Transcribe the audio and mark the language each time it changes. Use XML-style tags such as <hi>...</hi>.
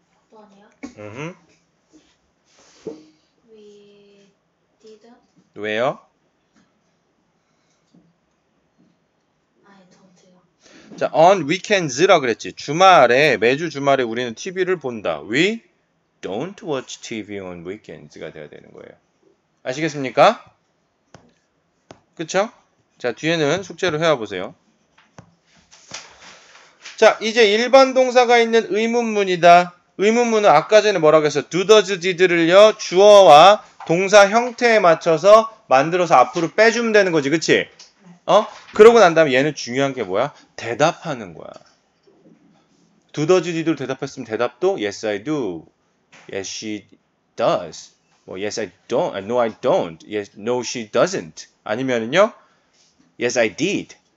<ko>뭐하네요? 응.</ko> <en>We didn't.</en> <ko>왜요?</ko> <en>I don't.</en> <ko>자,</ko> <en>on weekends</en> <ko>라 그랬지. 주말에 매주 주말에 우리는 TV를 본다.</ko> <en>We don't watch TV on weekends</en> <ko>가 돼야 되는 거예요. 아시겠습니까? 그쵸? 자, 뒤에는 숙제로 해와 보세요. 자, 이제 일반 동사가 있는 의문문이다. 의문문은 아까 전에 뭐라고 했어? do, does, did를요, 주어와 동사 형태에 맞춰서 만들어서 앞으로 빼주면 되는 거지, 그치? 어? 그러고 난 다음에 얘는 중요한 게 뭐야? 대답하는 거야.</ko> <en>do, does, did</en> <ko>로 대답했으면 대답도</ko> <en>yes, I do. yes, she does.</en> <ko>뭐,</ko> <en>yes, I don't. no, I don't. yes, no, she doesn't.</en> <ko>아니면은요,</ko> <en>yes, I did.</en>